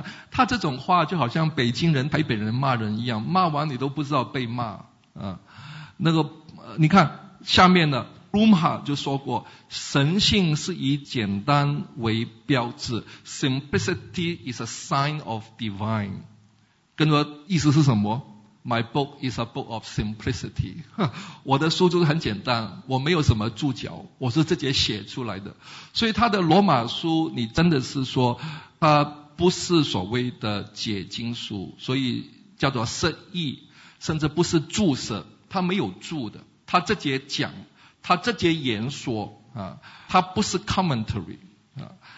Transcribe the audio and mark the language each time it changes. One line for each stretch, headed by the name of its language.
Chinese: 他这种话就好像北京人台北人骂人一样，骂完你都不知道被骂。那个你看下面的 Blumhardt 就说过，神性是以简单为标志，
English: Simplicity is a sign of divine，
Chinese: 跟着意思是什么？
English: My book is a book of simplicity。
Chinese: 我的书就是很简单，我没有什么注脚，我是直接写出来的。所以他的罗马书你真的是说他不是所谓的解经书，所以叫做释义，甚至不是注释，他没有注的，他直接讲，他直接言说啊，他不是 commentary 啊。